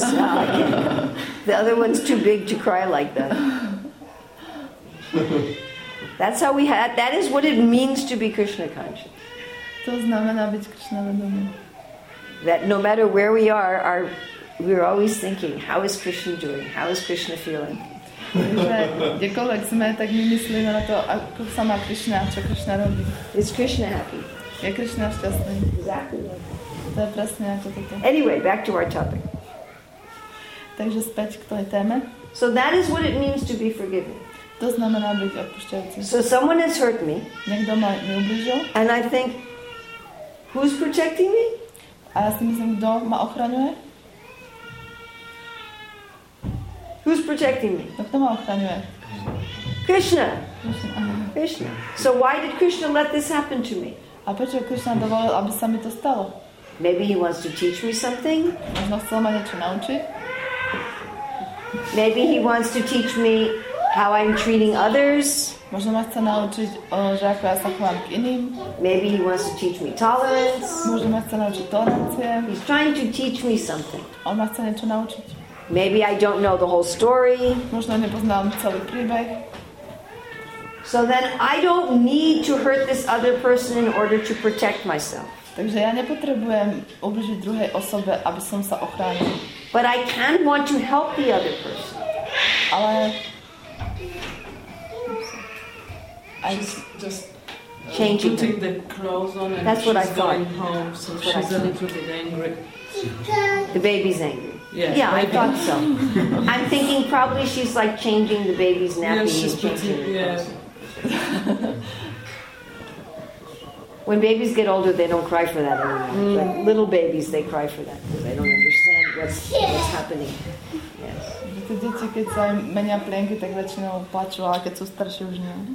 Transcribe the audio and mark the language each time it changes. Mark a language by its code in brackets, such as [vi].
[en] The other one's too big to cry like that. That's how we had. That is what it means to be Krishna conscious. [sk] To znamená być Krishna vedomý. [en] That no matter where we are, we're always thinking, how is Krishna doing? How is Krishna feeling? [sk] Kdekoľvek sme, tak my myslíme na to, ako sa má Krishna, čo Krishna robí. [en] Is Krishna happy? [sk] Je Krishna šťastný? [en] Exactly. [sk] To je presne ako toto. [en] Anyway, back to our topic. [sk] Takže späť k tej téme. [en] So that is what it means to be forgiven. [sk] To znamená byť odpúšťajúci. [en] So someone has hurt me. [sk] Niekto ma ublížil. [en] And I think, who's protecting me? [sk] A ja si myslím, kto ma ochraňuje? [en] Who's protecting me? [sk] Kto ma ochraňuje? [en] Krishna. [sk] Krishna. [en] So why did Krishna let this happen to me? [sk] A prečo Krishna dovolil, aby sa mi to stalo? [en] Maybe he wants to teach me something. [sk] Možno chcel ma niečo naučiť. [en] Maybe he wants to teach me how I'm treating others. [sk] Možno ma chcel naučiť, že ako ja sa chovám k iným. [en] Maybe he wants to teach me tolerance. [sk] Možno ma chcel naučiť tolerancie. [en] He's trying to teach me something. [sk] On ma chcel niečo naučiť. [en] Maybe I don't know the whole story. [sk] Možno nepoznám celý príbeh. [en] So then I don't need to hurt this other person in order to protect myself. [sk] Takže ja nepotrebujem ublížiť druhej osobe, aby som sa ochránil. [en] But I can want to help the other person. [sk] Ale [en] just changing putting the clothes on and that's what she's I thought. Going home, so that's she's a little bit angry. The baby's angry. Yes, yeah, maybe. I thought so. I'm thinking probably she's like changing the baby's nappy. Yes, she's pretty, yes. When babies get older, they don't cry for that anymore. Mm. Like little babies, they cry for that because they don't understand what's happening. [sk] Deti, keď sa menia plienky, tak väčšinou plačú, ale keď sú starší, už nie.